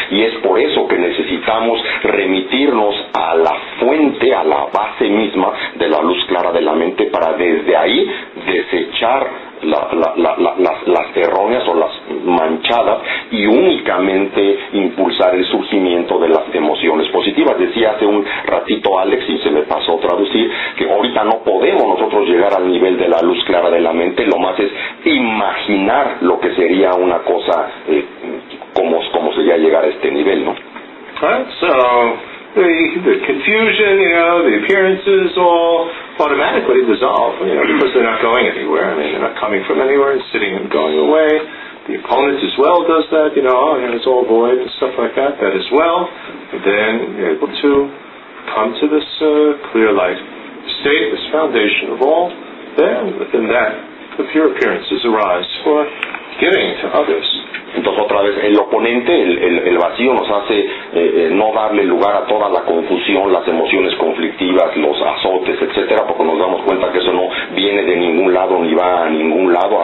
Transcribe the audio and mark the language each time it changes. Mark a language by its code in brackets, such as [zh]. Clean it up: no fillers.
[es] Y es por eso que necesitamos remitirnos a la fuente, a la base misma de la luz clara de la mente, para desde ahí desechar las erróneas o las manchadas y únicamente impulsar el surgimiento de las emociones positivas. Decía hace un ratito Alex, y se me pasó traducir, que ahorita no podemos nosotros llegar al nivel de la luz clara de la mente, lo más es imaginar lo que sería una cosa como sería llegar a este nivel, ¿no? [en] The confusion, you know, the appearances all automatically dissolve, you know, because they're not going anywhere. I mean, they're not coming from anywhere, it's sitting and going away. The opponent as well does that, you know, and it's all void and stuff like that. That as well, and then you're able to come to this clear light state, this foundation of all. Then within that, the pure appearances arise for giving to others. [es] Entonces otra vez el oponente, el vacío nos hace no darle lugar a toda la confusión, las emociones conflictivas, los azotes, etcétera, porque nos damos cuenta que eso no viene de ningún lado ni va a ningún lado.